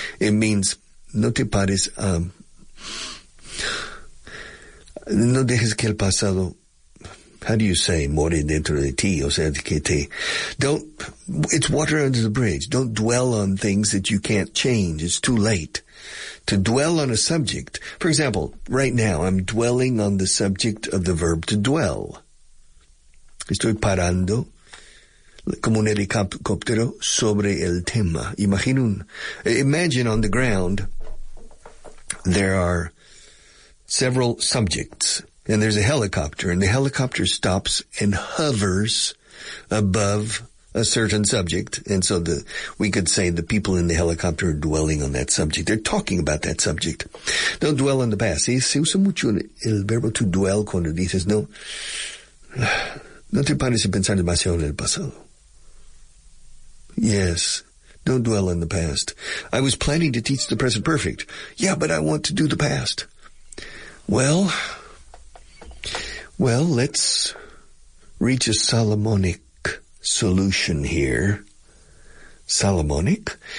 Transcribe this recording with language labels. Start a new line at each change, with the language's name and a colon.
English: It means
Spanish: no te pares, no dejes que el pasado,
English: how do you say,
Spanish: more dentro de ti, o sea, que te,
English: don't, it's water under the bridge. Don't dwell on things that you can't change. It's too late to dwell on a subject. For example, right now, I'm dwelling on the subject of the verb to dwell.
Spanish: Estoy parando como un helicóptero sobre el tema.
English: Imagine on the ground, there are several subjects. And there's a helicopter, and the helicopter stops and hovers above a certain subject. And so we could say the people in the helicopter are dwelling on that subject. They're talking about that subject. Don't dwell on the past. ¿Sí?
Spanish: Se usa mucho el verbo to dwell cuando dices, no te pares a pensar demasiado en el pasado.
English: Yes. Don't dwell on the past. I was planning to teach the present perfect. Yeah, but I want to do the past. Well, let's reach a Solomonic solution here. Solomonic?